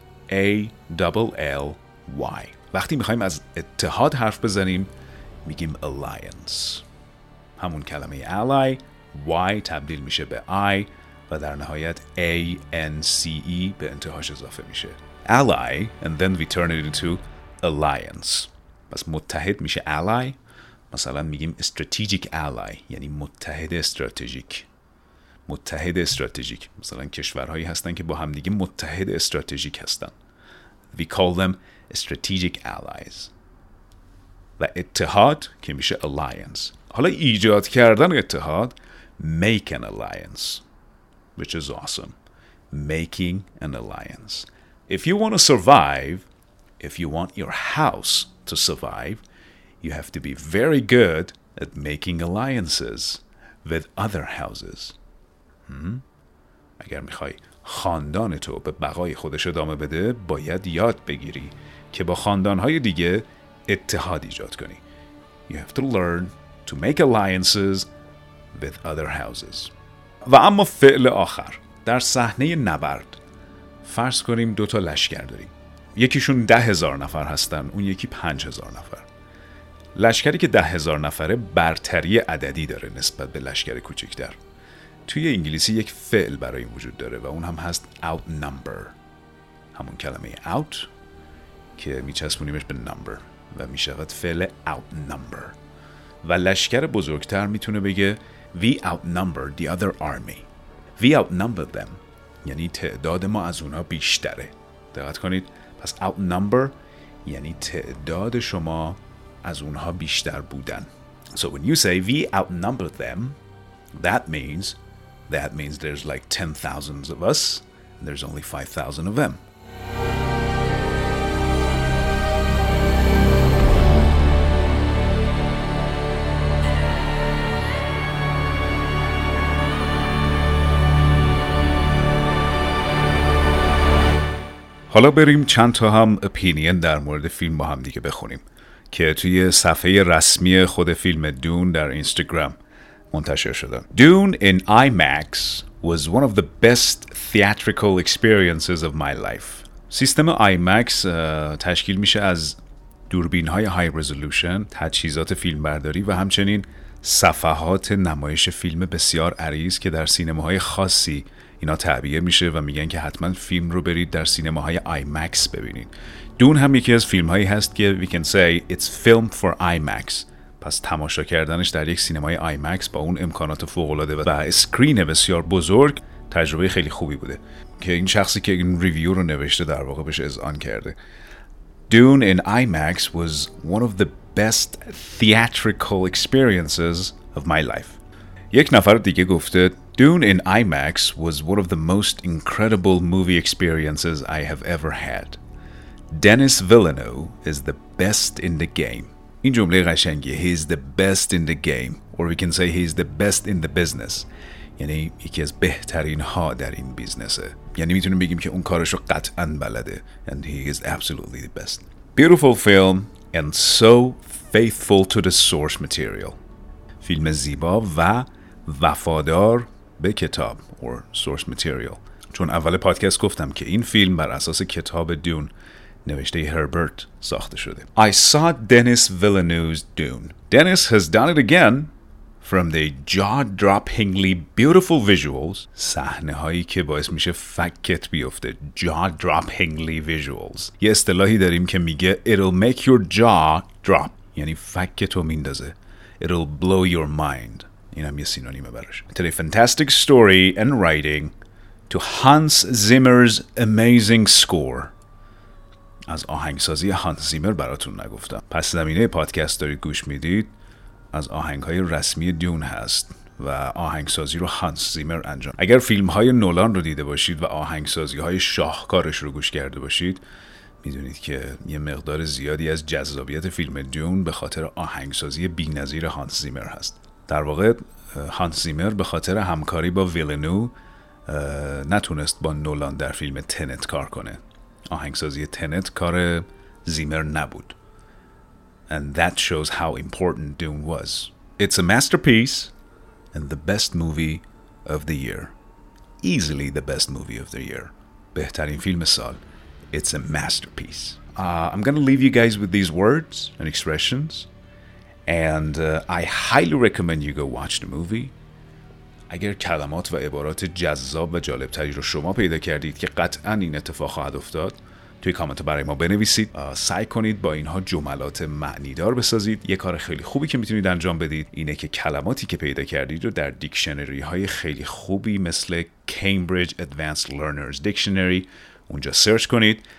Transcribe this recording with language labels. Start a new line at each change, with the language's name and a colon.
English: A-L-L-Y.
Persian: وقتی میخواییم از اتحاد حرف بزنیم میگیم alliance. همون کلمه ally Y تبدیل میشه به I و در نهایت A-N-C-E به انتهاش اضافه میشه.
English: Ally and then we turn it into alliance.
Persian: پس متحد میشه ally. مثلا میگیم strategic ally یعنی متحد استراتژیک. متحد استراتژیک مثلا کشورهایی هستن که با هم دیگه متحد استراتژیک هستن.
English: We call them strategic allies.
Persian: و اتحاد که میشه alliance. حالا ایجاد کردن اتحاد
English: make an alliance which is awesome. Making an alliance. If you want to survive, if you want your house to survive, you have to be very good at making alliances with other houses.
Persian: اگر میخوای خاندان تو به بقای خودش ادامه بده باید یاد بگیری که با خاندانهای دیگه اتحاد ایجاد کنی.
English: You have to learn to make alliances with other houses.
Persian: و اما فعل آخر در صحنه نبرد فرض کنیم دوتا لشکر داریم. یکیشون 10,000 نفر هستن اون یکی 5,000 نفر. لشکری که 10,000 نفره برتری عددی داره نسبت به لشکر کوچکتر. توی انگلیسی یک فعل برای این وجود داره و اون هم هست outnumber. همون کلمه out که میچسبونیمش به number و میشود فعل outnumber. و لشکر بزرگتر میتونه بگه
English: we outnumber the other army. We outnumber them.
Persian: یعنی تعداد ما از اونا بیشتره. دقت کنید. پس outnumber یعنی تعداد شما از اونها بیشتر بودن.
English: So when you say we outnumber them, that means there's like 10,000 of us and there's only 5,000 of them.
Persian: حالا بریم چند تا هم اپینین در مورد فیلم با هم دیگه بخونیم که توی صفحه رسمی خود فیلم دون در اینستاگرام منتشر شده.
English: Dune in IMAX was one of the best theatrical experiences of my life.
Persian: سیستم IMAX تشکیل میشه از دوربین‌های های رزولوشن، تجهیزات فیلمبرداری و همچنین صفحات نمایش فیلم بسیار عریض که در سینماهای خاصی اینا تعبیه میشه و میگن که حتما فیلم رو برید در سینماهای IMAX ببینید. دون هم یکی از فیلم هایی هست که
English: we can say it's film for IMAX.
Persian: پس تماشا کردنش در یک سینمای آی مکس با اون امکانات فوق‌العاده و اسکرین بسیار بزرگ تجربه خیلی خوبی بوده که این شخصی که این ریویو رو نوشته در واقع بهش اذعان کرده.
English: Dune in IMAX was one of the best theatrical experiences of my life.
Persian: یک نفر دیگه گفته
English: Dune in IMAX was one of the most incredible movie experiences I have ever had. Denis Villeneuve is the best in the game.
Persian: این جمله قشنگیه.
English: He is the best in the game. Or we can say he is the best in the business.
Persian: یعنی یکی از بهترین ها در این بیزنسه. یعنی میتونیم بگیم که اون کارشو قطعا بلده.
English: And he is absolutely the best. Beautiful film and so faithful to the source material.
Persian: فیلم زیبا و وفادار به کتاب
English: or source material.
Persian: چون اول پادکست گفتم که این فیلم بر اساس کتاب دون نوشته هربرت ساخته شده.
English: I saw Denis Villeneuve's Dune. Denis has done it again. From the jaw-droppingly beautiful visuals,
Persian: صحنه‌هایی که باعث میشه فکت بیفته.
English: Jaw-droppingly visuals.
Persian: یه اصطلاحی داریم که میگه
English: it'll make your jaw drop.
Persian: یعنی فکتو میندازه.
English: It'll blow your mind.
Persian: این هم یه سینونیم برش.
English: To the fantastic story and writing, to Hans Zimmer's amazing score.
Persian: از آهنگسازی هانس زیمر براتون نگفتم. پس زمینه پادکست دارید گوش میدید از آهنگ‌های رسمی دیون هست و آهنگسازی رو هانس زیمر انجام. اگر فیلم‌های نولان رو دیده باشید و آهنگسازی‌های شاهکارش رو گوش کرده باشید میدونید که یه مقدار زیادی از جذابیت فیلم دیون به خاطر آهنگسازی بی‌نظیر هانس زیمر هست. در واقع هانس زیمر به خاطر همکاری با ویلنو نتونست با نولان در فیلم تنت کار کنه. آهنگسازی تنت کار زیمر نبود.
English: And that shows how important Dune was. It's a masterpiece and the best movie of the year. Easily the best movie of the year.
Persian: بهترین فیلم سال.
English: It's a masterpiece. I'm going to leave you guys with these words and expressions. And I highly recommend you go watch the movie.
Persian: اگر کلمات و عبارات جذاب و جالب تری رو شما پیدا کردید که قطعا این اتفاق خواهد افتاد توی کامنت برای ما بنویسید. سعی کنید با اینها جملات معنیدار بسازید. یک کار خیلی خوبی که میتونید انجام بدید اینه که کلماتی که پیدا کردید رو در دیکشنری های خیلی خوبی مثل Cambridge Advanced Learners Dictionary اونجا سرچ کنید.